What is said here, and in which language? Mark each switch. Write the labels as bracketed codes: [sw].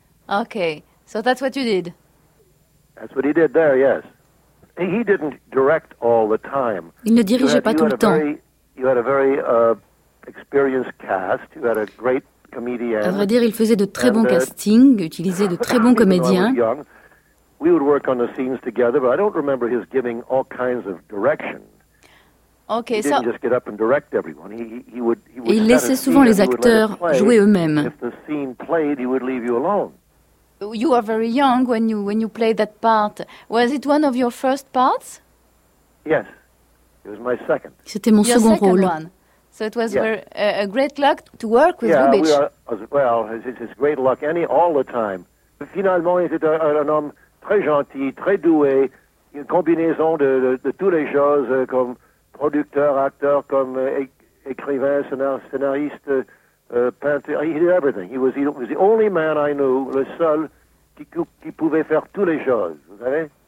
[en] Okay, so that's what you did. That's what he did there, yes. And he didn't direct all the time. [fr] Il ne dirigeait pas tout le temps. [en] You had a very experienced cast. You had a great comedian. [fr] À vrai dire, il faisait de très bons castings, utilisait de très bons comédiens. [en] We would work on the scenes together, but I don't remember his giving all kinds of direction. Okay, he didn't just get up and direct everyone. He would. [fr] Il laissait souvent les acteurs jouer eux-mêmes. [en] If the scene played, he would leave you alone. You are very young when you played that part. Was it one of your first parts? Yes, it was my second. [fr] C'était mon second rôle. [en] One. So it was a great luck to work with Lubitsch. It's great luck all the time. [fr] Finalement, il était un homme très gentil, très doué, une combinaison de toutes les choses comme producteur, acteur, comme écrivain, scénariste, peinteur. [en] He did everything. He was the only man I knew, [fr] le seul qui pouvait faire toutes les choses. Vous savez?